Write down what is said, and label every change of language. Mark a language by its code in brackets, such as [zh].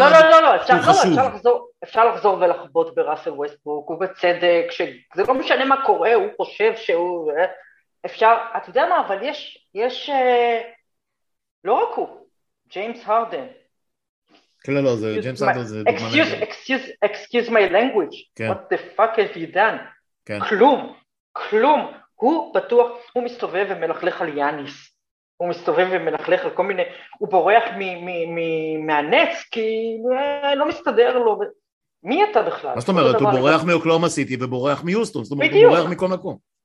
[he] הוא חשוב. אפשר לחזור ולחבוט בראסל ווסטברוק, ובצדק, זה לא משנה מה קורה, הוא חושב שהוא, אפשר, אתה יודע מה, אבל יש, לא רק הוא, ג'יימס הרדן. כן, לא, זה ג'יימס הרדן, זה דוגמה. [en] Excuse my language, what the fuck have you done? [he] כלום, כלום, הוא בטוח, הוא מסתובב ומלכלך על יאניס. הוא מסתובב ומלכלך על כל מיני, הוא בורח מהנץ, כי לא מסתדר לו, מי אתה בכלל? מה זאת אומרת, הוא בורח מאוקלאומה סיטי ובורח מיוסטון, זאת אומרת, הוא בורח מכל מקום.